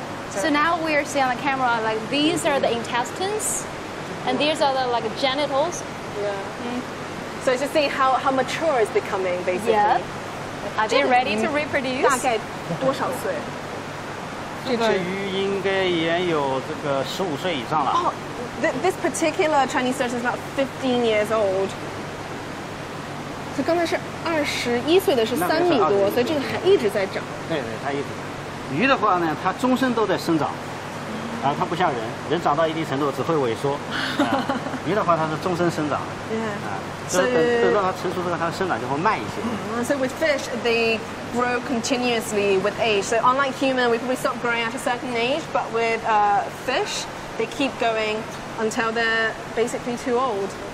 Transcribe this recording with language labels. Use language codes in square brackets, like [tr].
[en] So now we are seeing on the camera, like these are the intestines, and these are the like genitals. So it's just seeing how mature it's becoming, basically. Yeah. Are they ready to reproduce? [zh] 大概多少岁？这个鱼应该也有这个15岁以上了。 [en] This particular Chinese sturgeon is about 15 years old. [zh] 所以刚才是21岁的，是3米多，所以这个还一直在长。对，它一直长。鱼的话呢，它终身都在生长，啊，它不像人，人长到一定程度只会萎缩。鱼的话，它是终身生长。等到它成熟之后，它的生长就会慢一些。 [en] So with fish, they grow continuously with age. So unlike human, we probably stop growing at a certain age, but with fish, they keep going until they're basically too old.